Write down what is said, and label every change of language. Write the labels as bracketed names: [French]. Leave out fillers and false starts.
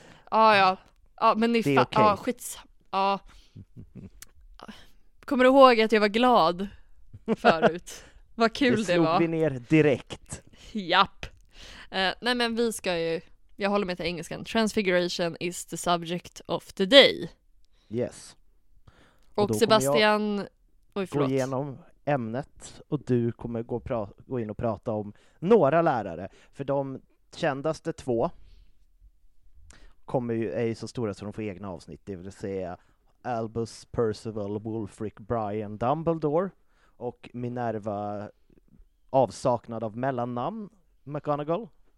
[Swedish] Ja, men ni fattar. Okay. Kommer du ihåg att jag var glad förut? Vad kul det var. Det slog vi ner direkt. Japp. Nej, men vi ska ju, jag håller mig till engelskan. [English] Transfiguration is the subject of the day. Yes. [Swedish] Och Sebastian, gå igenom ämnet och du kommer gå in och prata om några lärare. För de kändaste 2 är ju så stora så de får egna avsnitt. Det vill säga Albus, Percival, Wulfric, Brian, Dumbledore och Minerva, avsaknad av mellannamn, McGonagall.